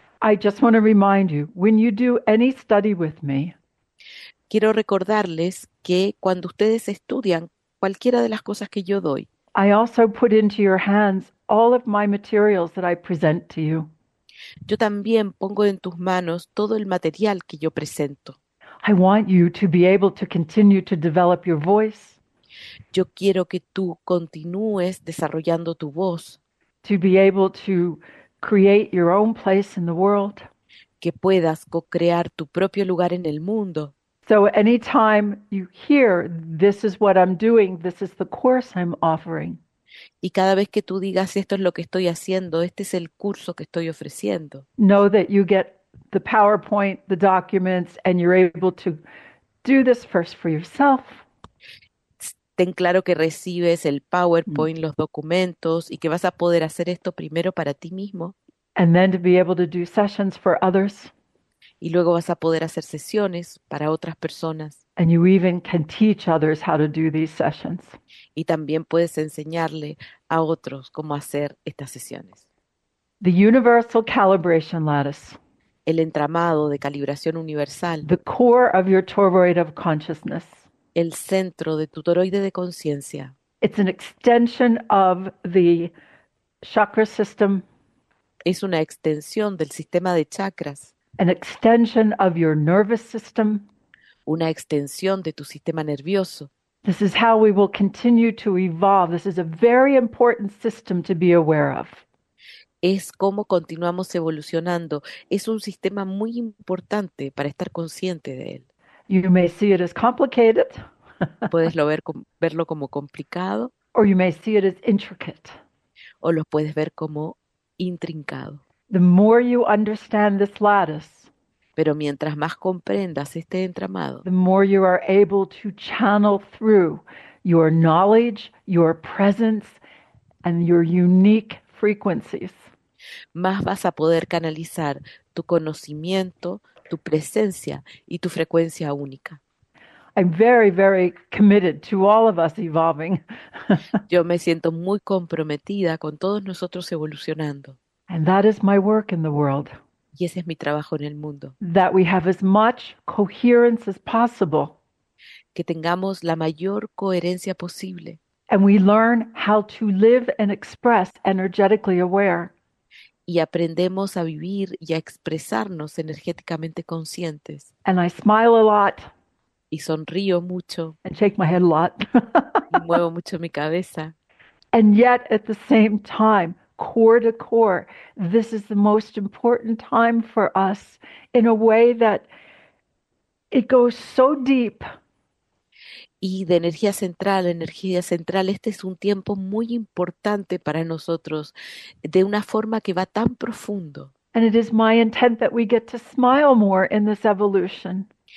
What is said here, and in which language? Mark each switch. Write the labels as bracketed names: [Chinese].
[English] I just want to remind you, when you do any study with me, [Spanish] quiero recordarles que cuando ustedes estudian cualquiera de las cosas que yo doy, [English] I also put into your hands all of my materials that I present to you. [Spanish] yo también pongo en tus manos todo el material que yo presento. [English] I want you to be able to continue to develop your voice. [Spanish] Yo quiero que tú continúes desarrollando tu voz, [English] To be able to create your own place in the world. [Spanish] que puedas co-crear tu propio lugar en el mundo. [English] So anytime you hear, this is what I'm doing, this is the course I'm offering. [Spanish] Y cada vez que tú digas esto es lo que estoy haciendo, este es el curso que estoy ofreciendo. [English] Know that you get the PowerPoint, the documents, and you're able to do this first for yourself. [Spanish] Ten claro que recibes el PowerPoint, los documentos y que vas a poder hacer esto primero para ti mismo. [English] And then to be able to do sessions for others. [Spanish] Y luego vas a poder hacer sesiones para otras personas. [English] And you even can teach others how to do these sessions. [Spanish] Y también puedes enseñarle a otros cómo hacer estas sesiones. [English] The universal calibration lattice. [Spanish] El entramado de calibración universal. [English] The core of your toroid of consciousness. [Spanish] El centro de tu toroide de conciencia. [English] It's an extension of the chakra system. [Spanish] Es una extensión del sistema de chakras. [English] An extension of your nervous system. [Spanish] Una extensión de tu sistema nervioso. [English] This is how we will continue to evolve. This is a very important system to be aware of. [Spanish] Es cómo continuamos evolucionando. Es un sistema muy importante para estar consciente de él. [English] You may see it as complicated, [Spanish] Puedes verlo como complicado [English] or you may see it as intricate. [Spanish] o lo puedes ver como intrincado. [English] The more you understand this lattice, [Spanish] Pero mientras más comprendas este entramado, [English] the more you are able to channel through your knowledge, your presence, and your unique frequencies. [Spanish] más vas a poder canalizar tu conocimiento, tu presencia y tu frecuencia única. [English] I'm very, very committed to all of us evolving. [Spanish] Yo me siento muy comprometida con todos nosotros evolucionando. [English] And that is my work in the world. [Spanish] Y ese es mi trabajo en el mundo. [English] That we have as much coherence as possible. [Spanish] Que tengamos la mayor coherencia posible. [English] And we learn how to live and express energetically aware. [Spanish] Y aprendemos a vivir y a expresarnos energéticamente conscientes. [English] And I smile a lot [Spanish] Y sonrío mucho. [English] and shake my head a lot. [Spanish] Y muevo mucho mi cabeza. [English] And yet, at the same time, core to core. This is the most important time for us in a way that it goes so deep. [Spanish] Y de energía central, este es un tiempo muy importante para nosotros, de una forma que va tan profundo. [English] And it is my intent that we get to smile more in this evolution.